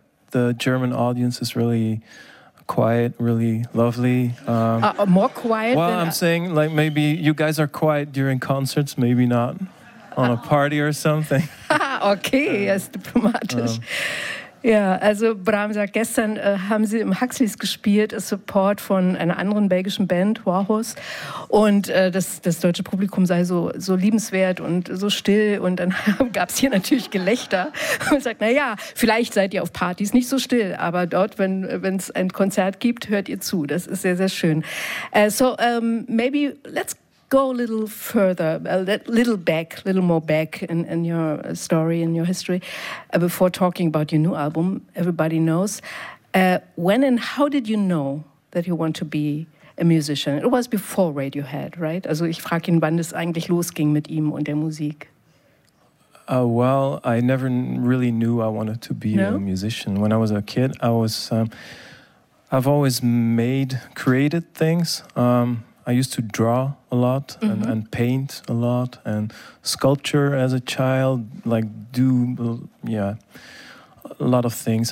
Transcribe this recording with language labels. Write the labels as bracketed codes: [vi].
[en] The German audience is really quiet, really lovely. More quiet? Well, I'm saying, like, maybe you guys are quiet during concerts, maybe not on a party or something. Okay, yes, diplomatisch. [de] Ja, also Bram sagt, gestern haben sie im Huxley's gespielt, als Support von einer anderen belgischen Band, Warhouse. Und das deutsche Publikum sei so liebenswert und so still. Und dann gab es hier natürlich Gelächter. Und sagt, naja, vielleicht seid ihr auf Partys nicht so still, aber dort, wenn es ein Konzert gibt, hört ihr zu. Das ist sehr, sehr schön. [en] Maybe let's go a little further, a little more back in your story, in your history, before talking about your new album, Everybody Knows. When and how did you know that you want to be a musician? It was before Radiohead, right? [de] Also ich frage ihn, wann es eigentlich losging mit ihm und der Musik. [en] I never really knew I wanted to be a musician. When I was a kid, I was, I've always created things. I used to draw a lot and paint a lot and sculpture as a child, like a lot of things.